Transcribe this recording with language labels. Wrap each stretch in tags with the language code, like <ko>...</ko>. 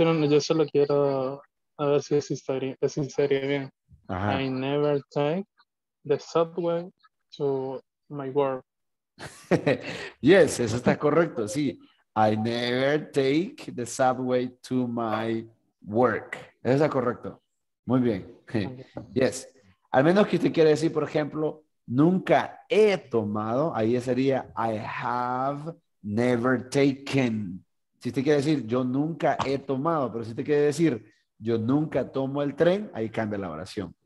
<es>Yo solo quiero a ver si es sincero bien. Ajá.</es> <en>I never take the subway to my work.</en> <es>Yes, eso está correcto, sí.</es> <en>I never take the subway to my work.</en> <es>Eso está correcto. Muy bien. Yes. Al menos que usted quiera decir, por ejemplo, nunca he tomado, ahí sería</es> <en>I have never taken.</en> <es>Si usted quiere decir yo nunca he tomado, pero si usted quiere decir yo nunca tomo el tren, ahí cambia la oración.</es>